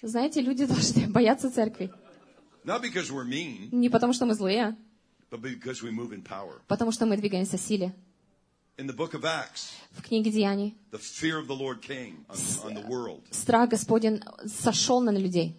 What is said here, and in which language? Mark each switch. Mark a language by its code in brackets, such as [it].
[ru] Знаете, люди должны бояться церкви. [en] Not because we're mean, [ru] не потому, что мы злые, [en] but because we move in power. [ru] Потому что мы двигаемся в силе. [en] In the book of Acts, [ru] в книге Деяний, [en] the fear of the Lord came on the world. [ru] Страх Господень сошел на людей.